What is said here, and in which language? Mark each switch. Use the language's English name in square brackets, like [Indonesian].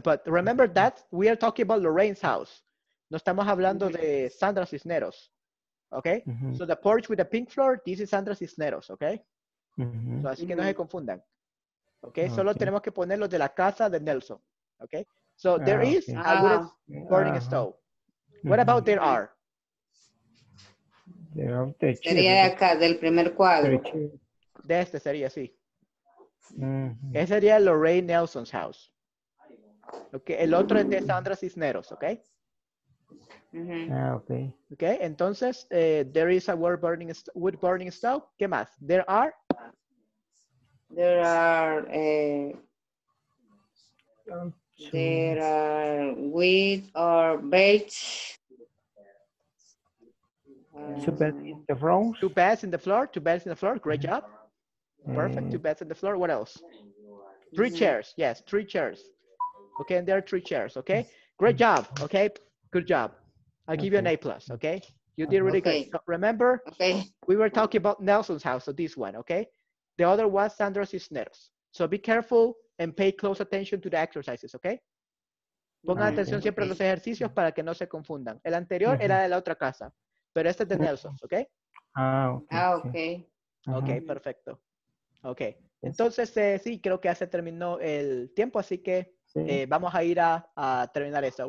[English] But remember that we are talking about Lorraine's house. [Spanish] No estamos hablando de Sandra Cisneros. [English] Okay? Mm-hmm. So the porch with the pink floor, this is Sandra Cisneros, okay? [Spanish] Mm-hmm. So así que no se confundan. Okay? Solo tenemos que poner los de la casa de Nelson. [English] Okay? So there is a wood burning stove. Mm-hmm. What about there are? There are the [Spanish] sería acá del primer cuadro. De este sería, sí. Mm-hmm. Ese sería Lorraine Nelson's house. Okay, el otro es de Sandra Cisneros, okay? [English] Mm-hmm. Okay. Okay, entonces, there is a wood burning stove. [Spanish] ¿Qué más? [English] There are? There are, there are wood or beds. Two beds in the floor. Two beds in the floor, two beds in the floor. Great job. Perfect, two beds in the floor. What else? Three chairs, yes, three chairs. Okay, and there are three chairs, okay? Great job, okay? Good job. I'll give you an A+, okay? You did really good. So remember, we were talking about Nelson's house, so this one, okay? The other was Sandra Cisneros. So be careful and pay close attention to the exercises, okay? [Spanish] Ponga atención siempre a los ejercicios para que no se confundan. El anterior era de la otra casa, pero este es de Nelson's, okay? [English] Okay. [Spanish] Okay, perfecto. Okay. Entonces, sí, creo que ya se terminó el tiempo, así que vamos a ir a terminar esto.